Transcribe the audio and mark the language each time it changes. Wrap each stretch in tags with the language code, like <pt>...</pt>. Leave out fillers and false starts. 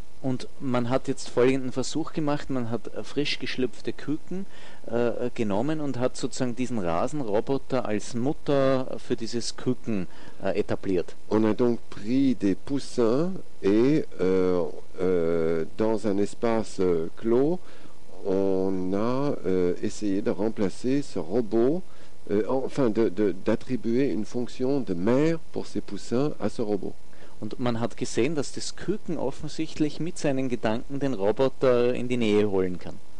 <de>Und man hat jetzt folgenden Versuch gemacht: Man hat frisch geschlüpfte Küken genommen und hat sozusagen diesen Rasenroboter als Mutter für dieses Küken etabliert.</de> <fr>On a donc pris des poussins et dans un espace clos, on a essayé de remplacer ce robot, enfin d'attribuer une fonction de mère pour ces poussins à ce robot.</fr> <de>Und man hat gesehen, dass das Küken offensichtlich mit seinen Gedanken den Roboter in die Nähe holen kann.</de>